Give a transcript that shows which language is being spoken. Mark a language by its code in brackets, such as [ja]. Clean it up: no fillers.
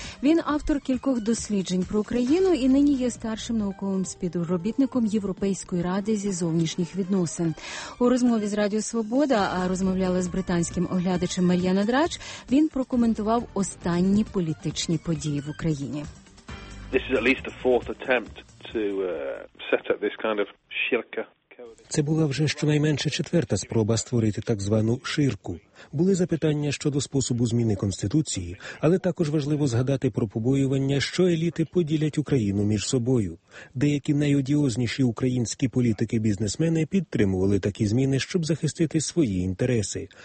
[uk] Він автор кількох досліджень про Україну і нині є старшим науковим співробітником Європейської ради зі зовнішніх відносин. У розмові з Радіо Свобода, а розмовляла з британським оглядачем Мар'яна Драч, він прокоментував останні політичні події в Україні. [en] This is at least the fourth attempt to set up this kind of shirka. [uk] Це була вже щонайменше четверта спроба створити так звану ширку. Були запитання щодо способу зміни Конституції, але також важливо згадати про побоювання, що еліти поділять Україну між собою. Деякі найодіозніші українські політики-бізнесмени підтримували такі зміни, щоб захистити свої інтереси.